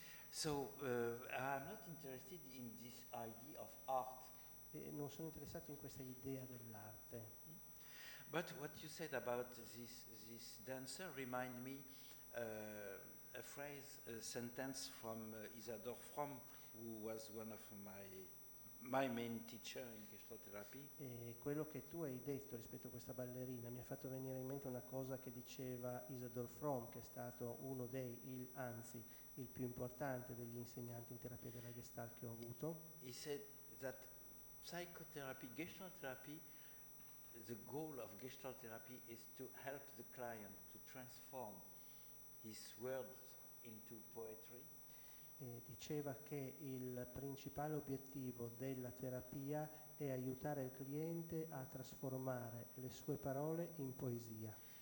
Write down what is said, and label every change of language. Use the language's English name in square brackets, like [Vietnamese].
[English] So I'm not interested in this idea of art. [Italian] E non sono interessato in questa idea dell'arte. [English] But what you said about this dancer remind me a sentence from Isadore Fromm, who was one of my main teacher in Gestalt Therapy. [Italian] E quello che tu hai detto rispetto a questa ballerina mi ha fatto venire in mente una cosa che diceva Isadore Fromm, che è stato uno dei, anzi il più importante degli insegnanti in terapia della Gestalt che ho avuto. [English] He said that psychotherapy, Gestalt Therapy, the goal of Gestalt Therapy is to help the client to transform his words into poetry. [Italian] E diceva che il principale obiettivo della terapia è aiutare il cliente a trasformare le sue parole in poesia.